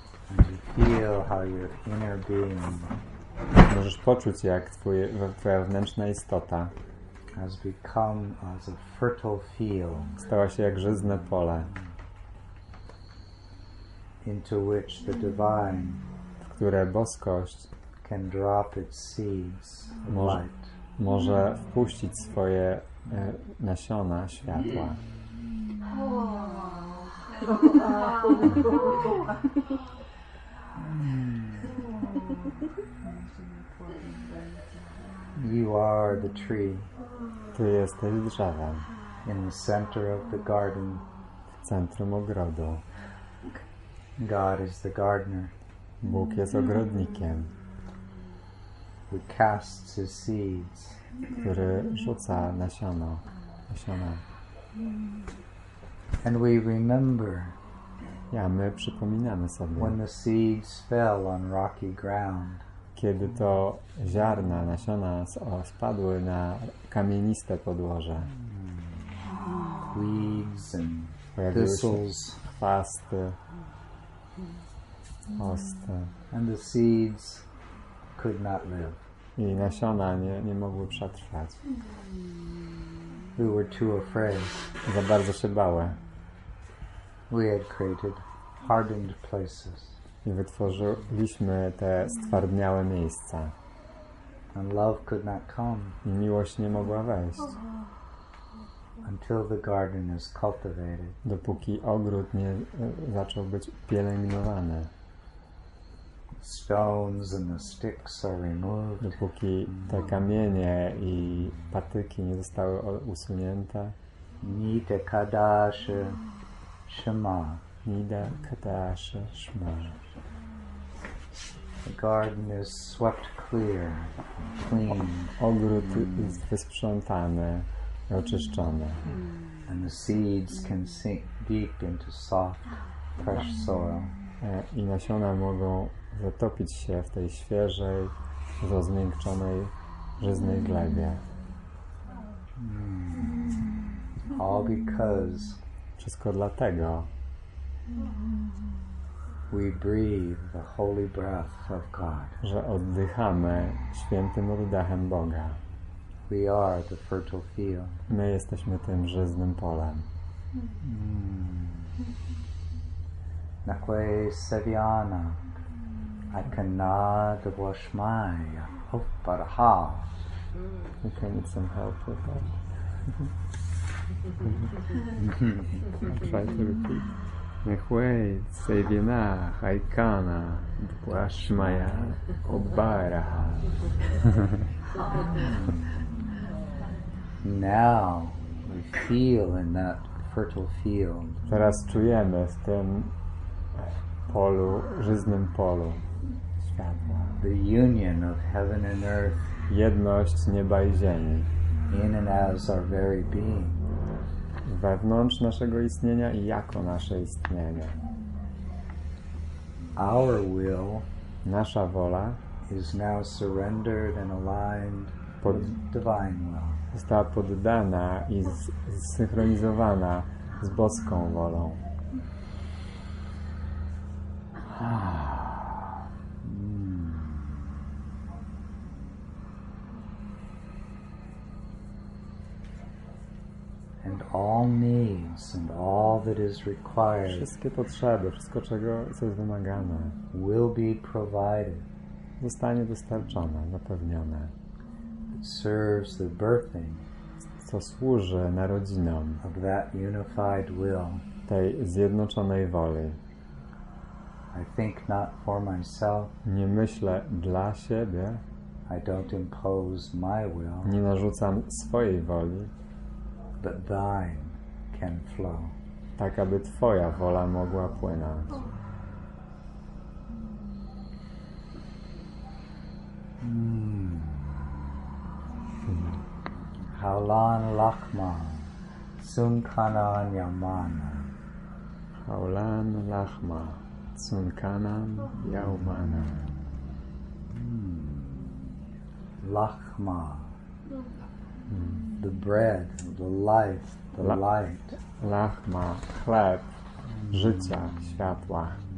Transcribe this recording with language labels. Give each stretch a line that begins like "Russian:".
English: And you feel how your inner being.
Polish: Możesz poczuć, jak twoja wewnętrzna istota
English: has become as a fertile field.
Polish: Stała się jak żyzne pole.
English: Into which the divine,
Polish: w które boskość
English: can drop its seeds of light.
Polish: Może wpuścić swoje nasiona światła.
English: You are the tree.
Polish: Ty jesteś drzewem.
English: In the center of the garden.
Polish: W centrum ogrodu.
English: God is the gardener.
Polish: Bóg jest ogrodnikiem.
English: He casts his seeds.
Polish: Który rzuca nasiona.
English: And we remember.
Polish: Ja, my przypominamy sobie.
English: When the seeds fell on rocky ground.
Polish: Kiedy to ziarna, nasiona spadły na kamieniste podłoże.
English: Weeds and thistles.
Polish: Chwasty. Osty.
English: And the seeds could not live.
Polish: I nasiona nie mogły przetrwać.
English: We were too afraid.
Polish: Za bardzo się bały.
English: We had created hardened places.
Polish: I wytworzyliśmy te stwardniałe miejsca.
English: And love could not come.
Polish: I miłość nie mogła wejść.
English: Until the garden is cultivated.
Polish: Dopóki ogród nie zaczął być pielęgnowany.
English: Stones and the sticks are removed.
Polish: Dopóki te kamienie i patyki nie zostały usunięte.
Aramaic: Nida kadasha shma. Nida kadasha shma.
English: The garden is swept clear, clean.
Polish: Ogród jest wysprzątany, oczyszczony.
English: And the seeds can sink deep into soft, fresh soil.
Polish: I nasiona mogą zatopić się w tej świeżej, rozmiękczonej, żyznej glebie.
English: All because
Polish: wszystko dlatego
English: we breathe the holy breath of God.
Polish: Że oddychamy świętym oddechem Boga.
English: We are the fertile field.
Polish: My jesteśmy tym żyznym polem.
Aramaic: Nakwe seviana akana dvashmaya hoparha.
English: We can need some help with that. I'm trying to repeat.
Aramaic: Nehwe Sevina Haikana Dvashmaya Obaraha.
English: Now we feel in that fertile field.
Polish: Teraz czujemy w tym polu, żyznym polu światła.
English: The union of heaven and earth.
Polish: Jedność nieba i ziemi.
English: In and as our very being.
Polish: Wewnątrz naszego istnienia i jako nasze istnienie.
English: Our will,
Polish: nasza wola,
English: is now surrendered and aligned with divine will.
Polish: Została poddana i zsynchronizowana z boską wolą.
English: And all needs and all that is required.
Polish: Wszystkie potrzeby, wszystko czego jest wymagane,
English: will be provided.
Polish: Zostanie dostarczone, zapewnione.
English: It serves the birthing.
Polish: Co służy narodzinom.
English: Of that unified will.
Polish: Tej zjednoczonej woli.
English: I think not for myself.
Polish: Nie myślę dla siebie.
English: I don't impose my will.
Polish: Nie narzucam swojej woli.
English: But thine can flow.
Polish: Tak, aby twoja wola mogła płynąć.
Aramaic: Haulan Lachman Tsunkanan Yamana. Haulan Lachma Tsunkanan Yamana. Lachma.
English: The bread, the life, the light.
Polish: Lachma, chleb, życia, światła.